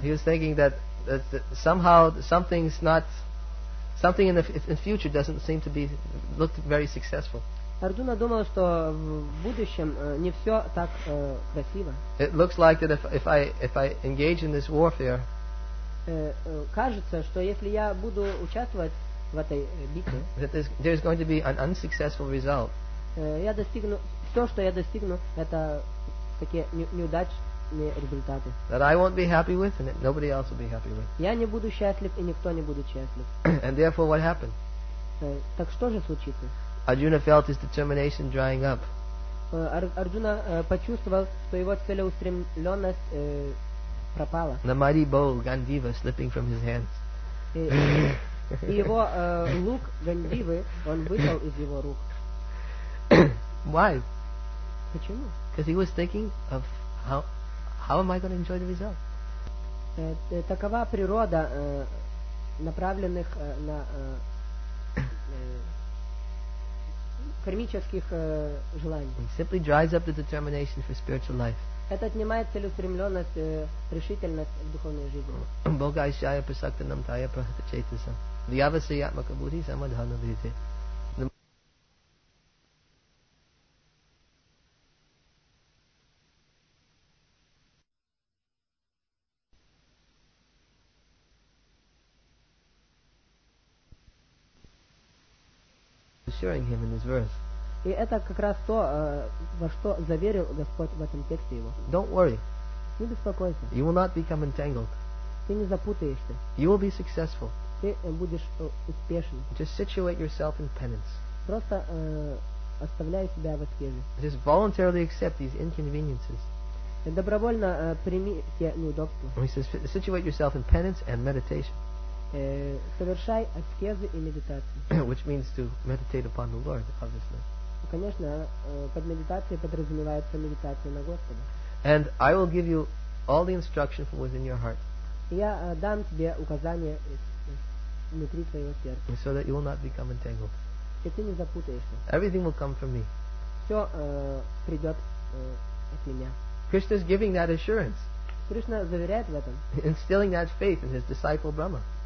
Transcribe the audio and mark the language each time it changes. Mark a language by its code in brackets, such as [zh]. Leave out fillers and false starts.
[en] He was thinking that somehow something in the future doesn't seem to be looked very successful. [ru] Арджуна думал, что в будущем не все так красиво. [en] It looks like that if I engage in this warfare. [ru] Кажется, что если я буду участвовать в этой битве, [en] that there's going to be an unsuccessful result. [ru] Я достигну все, что я достигну, это такие неудачи. [en] That I won't be happy with, and that nobody else will be happy with. [ru] Я не буду счастлив, и никто не будет счастлив. [en] And therefore, what happened? [ru] Так что же случится? [en] Arjuna felt his determination drying up. [ru] Арджуна почувствовал, что его целеустремленность пропала. [en] The mighty bow, Гандива, slipping from his hands. [ru] И его лук Гандивы, он выпал из его рук. [en] Why? [ru] Почему? [en] Because he was thinking of how am I going to enjoy the result? [ru] Такова природа направленных на кармических желаний. [en] It simply dries up the determination for spiritual life. [ru] Это отнимает целеустремленность, решительность в духовной жизни. [sa] Бога ищая посакта нам тая прахатачайтаса. Дьяваса ятма кабури самадхана бриде. [en] Assuring him in this verse. [ru] И это как раз то, во что заверил Господь в этом тексте его. [en] Don't worry. [ru] Не беспокойся. [en] You will not become entangled. [ru] Ты не запутаешься. [en] You will be successful. [ru] Ты будешь успешен. [en] Just situate yourself in penance. [ru] Просто оставляй себя в аскезе. [en] Just voluntarily accept these inconveniences. [ru] Добровольно прими те неудобства. [en] He says, situate yourself in penance and meditation. [ru] Совершай аскезы и медитации. [en] Which means to meditate upon the Lord, obviously. [ru] Конечно, под медитацией подразумевается медитация на Господа. [en] And I will give you all the instruction from within your heart. [ru] Я дам тебе указания внутри твоего сердца. [en] So that you will not become entangled. [ru] И ты не запутаешься. [en] Everything will come from me. [ru] Все придет от меня. [en] Krishna is giving that assurance. [ru] Кришна заверяет в этом. [en] Instilling that faith in his disciple Brahma.